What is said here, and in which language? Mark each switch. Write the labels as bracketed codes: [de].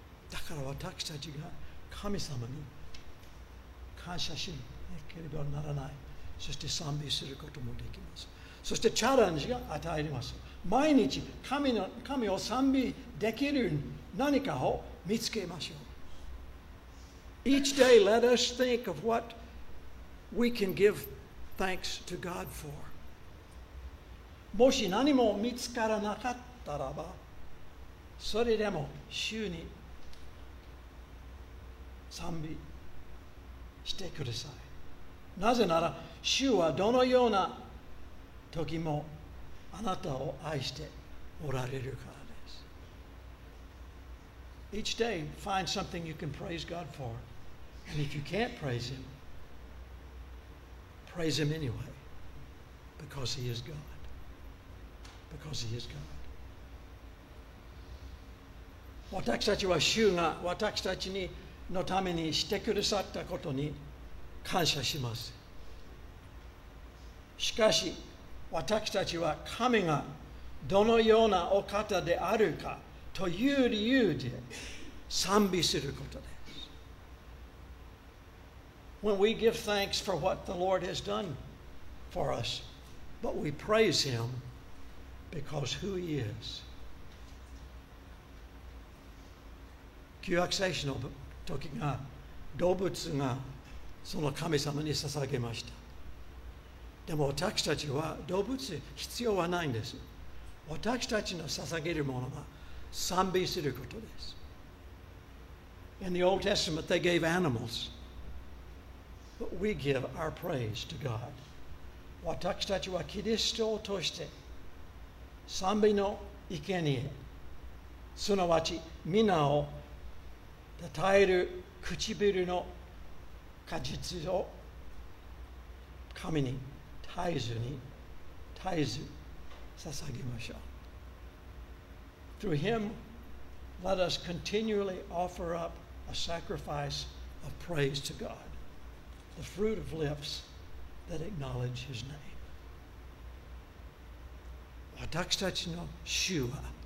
[ja] だから私たちが神様に感謝しなければならない。そして賛美することもできます。そしてチャレンジが与えます。毎日神を賛美できる何かを見つけましょう。 [en] Each day, let us think of what we can give thanks to God for. [ja] もし何も見つからなかったらば、それでも主に賛美してください。なぜなら、主はどのような時もあなたを愛しておられるから。 [en] Each day, find something you can praise God for. And if you can't praise Him anyway. Because He is God. Because He is God. [ja] 私たちは主が私たちのためにしてくださったことに感謝します。しかし、私たちは神がどのようなお方であるかという理由で賛美することです。 [en] When we give thanks for what the Lord has done for us, but we praise Him because who He is. [ja] 旧約聖書の時が動物がその神様に捧げました。でも私たちは動物必要はないんです。私たちの捧げるものが賛美することです。 [en] In the Old Testament, they gave animals. But we give our praise to God. [ja] 私たちはキリストを通して賛美の生贄、すなわち皆をたたえる唇の果実を神に絶えず捧げましょう。 [en] Through him, Let us continually offer up a sacrifice of praise to God, the fruit of lips that acknowledge His name. А так стачно шува.